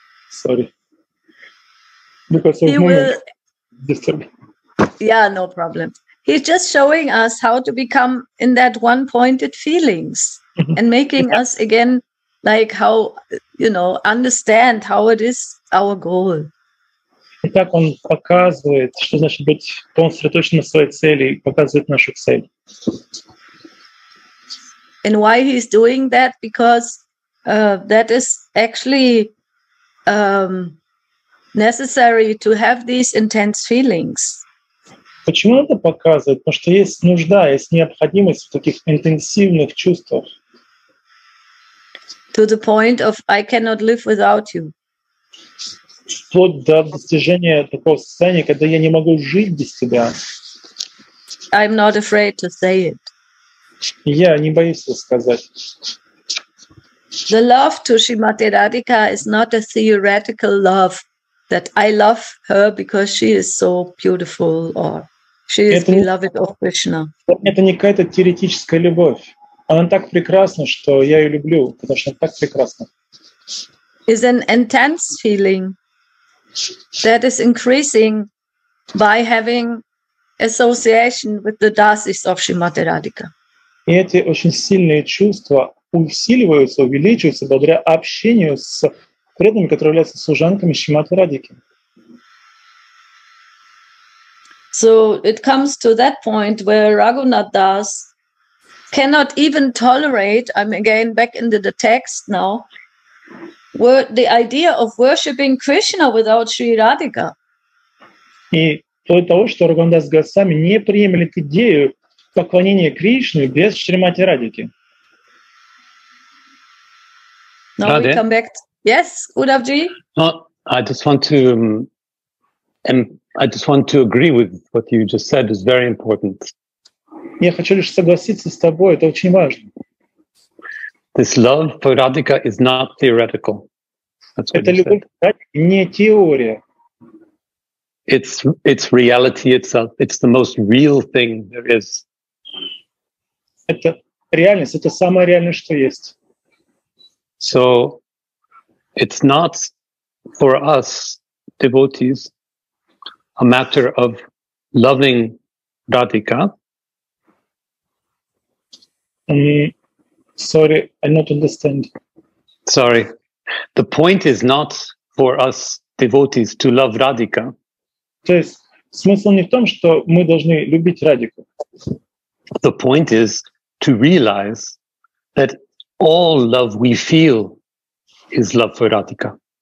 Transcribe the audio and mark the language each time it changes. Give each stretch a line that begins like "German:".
English: Sorry. Because of no problem. He's just showing us how to become in that one-pointed feelings and making us again like how, you know, understand how it is our goal.
Russian: Итак, он показывает, что значит быть сконцентрирован на своей цели, показывает нашу цель.
English: And why he is doing that? Because that is actually necessary to have these intense feelings.
Russian: Почему он это показывает? Потому что есть нужда, есть необходимость в таких интенсивных чувствах.
English: To the point of I cannot live without you.
Russian: Вплоть до достижения такого состояния, когда я не могу жить без тебя.
English: I'm not afraid to say it.
Russian: Я не боюсь это сказать.
English: The love to Shrimati Radhika is not a theoretical love that I love her because she is so beautiful or she is beloved of Krishna.
Russian: Это не какая-то теоретическая любовь. Она так прекрасна, что я ее люблю, потому что она так прекрасна.
English: Is an intense feeling that is increasing by having association with the dasis of Shrimati Radhika.
Russian: И эти очень сильные чувства усиливаются, увеличиваются благодаря общению с преданными, которые являются служанками Шримати Радхики.
English: So it comes to that point where Raghunath Das cannot even tolerate, I'm again back into the text now, the idea of worshipping Krishna without Sri Radhika.
Russian: И то из-за того, что Рагунатас Госвами не приемлет идею поклонения Кришне без Шримати Радхики.
English: Now we come back. Yes, Uddhavji. I just want to agree with what you just said. It's very important.
Russian: Я хочу лишь согласиться с тобой. Это очень важно.
English: This love for Radhika is not theoretical. That's what
Russian: Это любовь к Радхике не теория.
English: It's reality itself. It's the most real thing there is.
Russian: Это реальность. Это самое реальное, что есть.
English: So it's not for us devotees a matter of loving Radhika. Sorry, I don't understand. Sorry. The point is not for us devotees to love Radhika.
Russian: То есть смысл не в том, что мы должны любить Радхику.
English: The point is to realize that all love we feel is love for Radhika.